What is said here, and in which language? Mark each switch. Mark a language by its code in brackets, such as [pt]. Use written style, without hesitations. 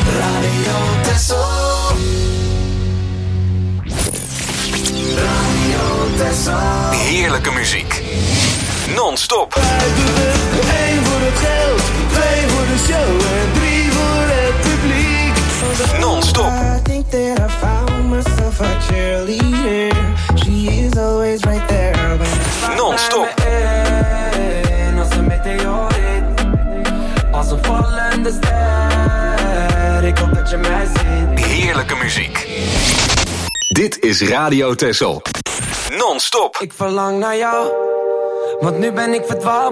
[nl] Radio Texel. Heerlijke muziek. Non-stop. 1 voor het geld, 2 voor de show en 3 voor het publiek. Non-stop. [en] I think that I found myself a cheerleader. She is always right there. [nl] Non-stop. En als een [en] meteor hit, [nl] als een vallende ster, ik hoop dat je mij ziet. Heerlijke muziek. Dit is Radio Texel. Non-stop. Ik verlang naar jou, want nu ben ik verdwaald.